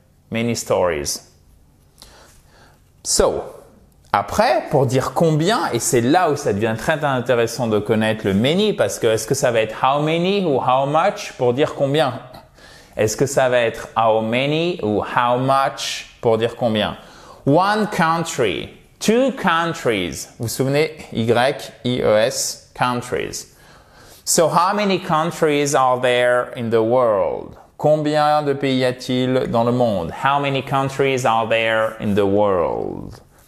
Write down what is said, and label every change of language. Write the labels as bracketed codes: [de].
[en] Many stories. [fr] So, après, pour dire combien, et c'est là où ça devient très intéressant de connaître le many, parce que est-ce que ça va être how many ou how much pour dire combien? Est-ce que ça va être how many ou how much pour dire combien? [en] One country, two countries. [fr] Vous vous souvenez, Y-I-E-S, countries. [en] So, how many countries are there in the world? [fr] Combien de pays y a-t-il dans le monde? [en] How many countries are there in the world?